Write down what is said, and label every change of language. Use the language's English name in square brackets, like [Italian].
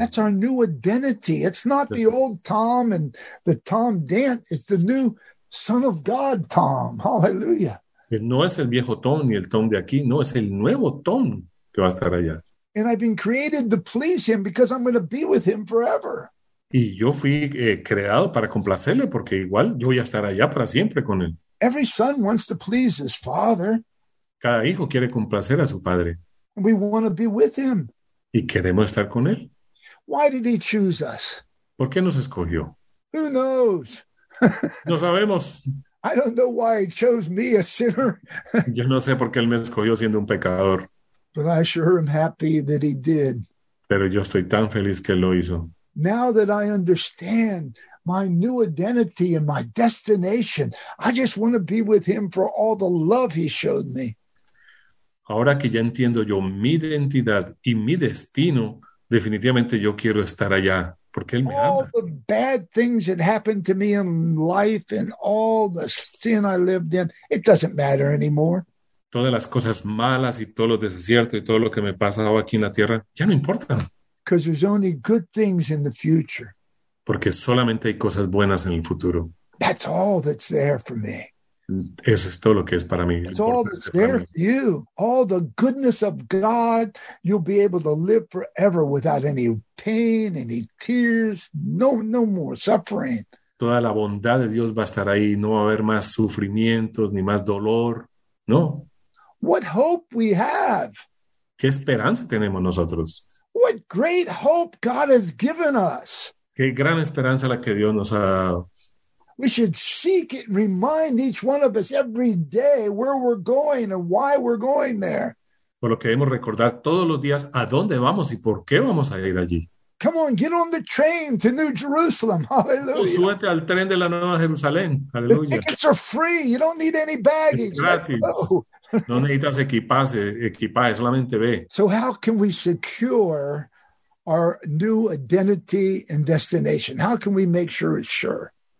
[English] That's our new identity. It's not the old Tom and the Tom Dent. It's the new Son of God, Tom. Hallelujah. [Spanish] No es el viejo Tom ni el Tom de aquí. No, es el nuevo Tom que va a estar allá. [English] And I've been created to please him because I'm going to be with him forever. [Spanish] Y yo fui creado para complacerle porque igual yo voy a estar allá para siempre con él. [English] Every son wants to please his father. [Spanish] Cada hijo quiere complacer a su padre. [English] We want to be with him. [Spanish] Y queremos estar con él. [English] Why did he choose us? [Spanish] ¿Por qué nos escogió? [English] Who knows? [Spanish] No sabemos. [English] I don't know why he chose me, a sinner. [Spanish] Yo no sé por qué él me escogió siendo un pecador. [English] But I sure am happy that he did. [Spanish] Pero yo estoy tan feliz que lo hizo. [English] Now that I understand my new identity and my destination, I just want to be with him for all the love he showed me. [Spanish] Ahora que ya entiendo yo mi identidad y mi destino, definitivamente yo quiero estar allá. Porque él me all ama. [English] The bad things that happened to me in life and all the sin I lived in, it doesn't matter anymore. [Spanish] Todas las cosas malas y todos los desiertos y todo lo que me pasa aquí en la tierra, ya no importan. [English] Because there's only good things in the future. [Spanish] Porque solamente hay cosas buenas en el futuro. [English] That's all that's there for me. [Spanish] Eso es todo lo que es para mí. [English] It's all that's there for you. All the goodness of God, you'll be able to live forever without any pain, any tears, no more suffering. [Spanish] Toda la bondad de Dios va a estar ahí. No va a haber más sufrimientos ni más dolor. No. [English] What hope we have. [Spanish] ¿Qué esperanza tenemos nosotros? [English] What great hope God has given us. [Spanish] ¿Qué gran esperanza la que Dios nos ha dado? [English] We should seek it and remind each one of us every day where we're going and why we're going there. [Spanish] Por lo que debemos recordar todos los días a dónde vamos y por qué vamos a ir allí. [English] Come on, get on the train to New Jerusalem. Hallelujah. [Spanish] Súbete al tren de la Nueva Jerusalén. Hallelujah. [English] The tickets are free. You don't need any baggage. [Spanish] Es gratis. No necesitas equipaje, solamente ve. [English] So how can we secure our new identity and destination? How can we make sure it's sure?